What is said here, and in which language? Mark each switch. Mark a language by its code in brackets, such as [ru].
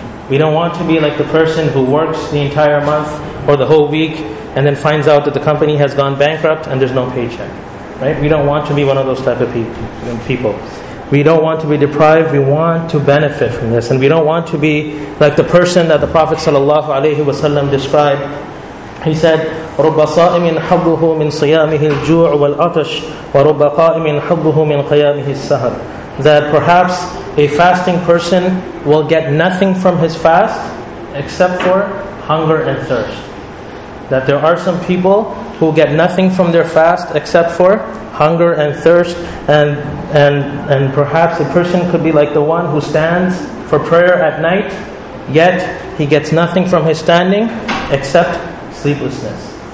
[en] We don't want to be like the person who works the entire month or the whole week and then finds out that the company has gone bankrupt and there's no paycheck. Right? We don't want to be one of those type of people. We don't want to be deprived, we want to benefit from this. And we don't want to be like the person that the Prophet [ar] sallallahu alaihi wasallam [en] described. He said, [ar] رُبَّ صَائِمٍ حَبُّهُ مِنْ صِيَامِهِ الْجُوعُ وَالْعَطَشِ وَرُبَّ قَائِمٍ حَبُّهُ مِنْ قِيَامِهِ السَّهَرِ. [en] That perhaps a fasting person will get nothing from his fast except for hunger and thirst. That there are some people who get nothing from their fast except for hunger and thirst, and perhaps a person could be like the one who stands for prayer at night, yet he gets nothing from his standing except sleeplessness.